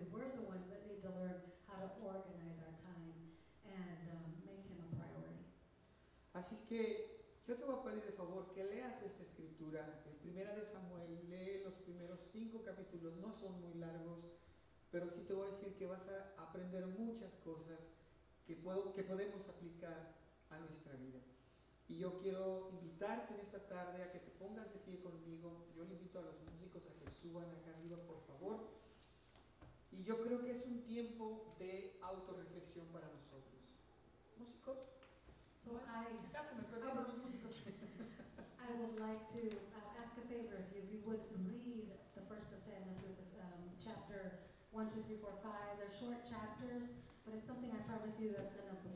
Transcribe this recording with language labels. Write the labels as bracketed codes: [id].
[en] We're the ones that need to learn how to organize our time and make him a priority. [es] Así es que yo te voy a pedir de favor que leas esta escritura, el primera de Samuel, lee los primeros 5 capítulos, no son muy largos, pero sí te voy a decir que vas a aprender muchas cosas que podemos aplicar a nuestra vida. Y yo quiero invitarte en esta tarde a que te pongas de pie conmigo. Yo le invito a los músicos a que suban acá arriba, por favor. Y yo creo que es un tiempo de autorreflexión para nosotros. ¿Músicos? [en] So [es] ya se me perdieron los músicos. [en] I would like to ask a favor of you. If you would read the first Samuel, chapter 1, 2, 3, 4, 5. They're short chapters, but it's something I promise you that's going to bless.